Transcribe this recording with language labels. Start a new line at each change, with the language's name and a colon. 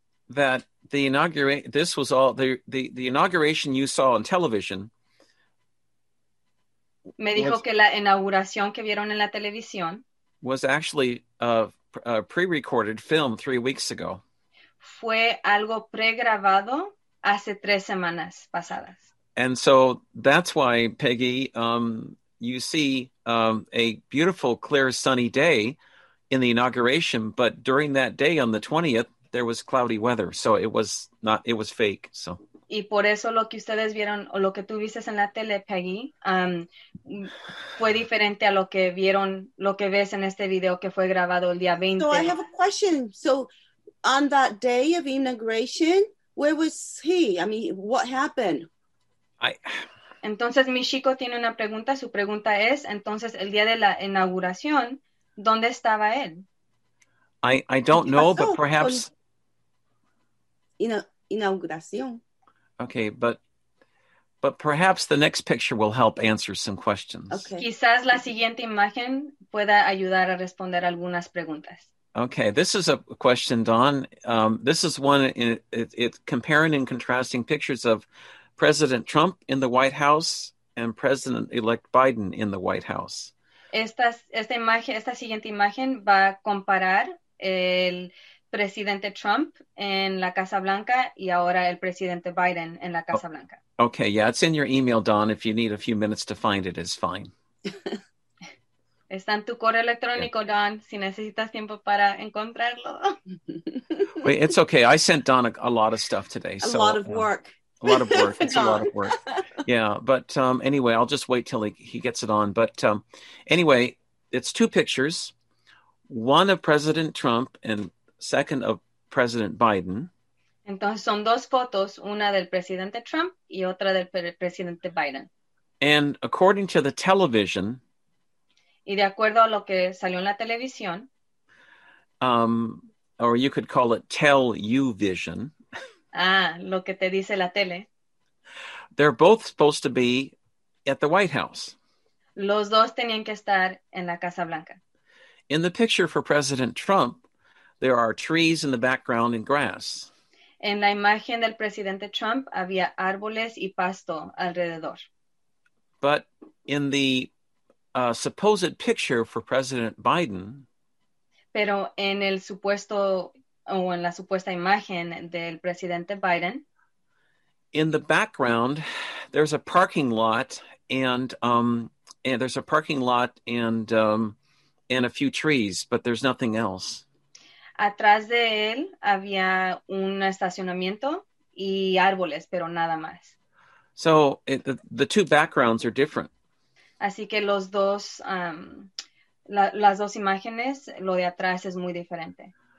English: That the inauguration, this was all the inauguration you saw on television.
Spanish: Me dijo que la inauguración que vieron en la televisión
English: was actually a pre-recorded film 3 weeks ago.
Spanish: Fue algo pregrabado hace 3 semanas pasadas.
English: And so that's why, Peggy, you see a beautiful, clear, sunny day in the inauguration, but during that day on the 20th, there was cloudy weather, so it was fake. So.
Spanish: Y por eso lo que ustedes vieron o lo que tú viste en la tele, Peggy, fue diferente a lo que vieron, lo que ves en este video que fue grabado el día 20.
English: So I have a question. So on that day of inauguration, where was he? I mean, what happened?
Spanish: Entonces mi chico tiene una pregunta. Su pregunta es, entonces el día de la inauguración, ¿dónde estaba él?
English: I don't know, but perhaps.
Spanish: Inauguración.
English: Okay, but perhaps the next picture will help answer some questions. Okay.
Spanish: Quizás la siguiente imagen pueda ayudar a responder algunas preguntas.
English: Okay, this is a question, Don. This is one, it's comparing and contrasting pictures of President Trump in the White House and President-elect Biden in the White House.
Spanish: Esta siguiente imagen va a comparar el presidente Trump en la Casa Blanca y ahora el presidente Biden en la Casa Blanca.
English: Okay, yeah, it's in your email, Dawn. If you need a few minutes to find it, it's fine.
Spanish: Está en tu correo electrónico, yeah. Dawn, si necesitas tiempo para encontrarlo.
English: Wait, it's okay. I sent Dawn a lot of stuff today. A lot of work. A lot of work. It's Dawn. A lot of work. Yeah, but anyway, I'll just wait till he gets it on. But anyway, it's two pictures. One of President Trump and second of President Biden.
Spanish: Entonces son dos fotos, una del presidente Trump y otra del presidente Biden.
English: And according to the television,
Spanish: y de acuerdo a lo que salió en la televisión,
English: or you could call it tell-you-vision.
Spanish: Ah, lo que te dice la tele.
English: They're both supposed to be at the White House.
Spanish: Los dos tenían que estar en la Casa Blanca.
English: In the picture for President Trump, there are trees in the background and grass.
Spanish: En la imagen del presidente Trump había árboles y pasto alrededor.
English: But in the supposed picture for President Biden,
Spanish: pero en el supuesto o en la supuesta imagen del presidente Biden,
English: in the background there's a parking lot and there's a parking lot and a few trees, but there's nothing else.
Spanish: Atrás de él había un estacionamiento y árboles, pero nada más.
English: So the two backgrounds are different.
Spanish: Así que los dos, las dos imágenes, lo de atrás es muy diferente.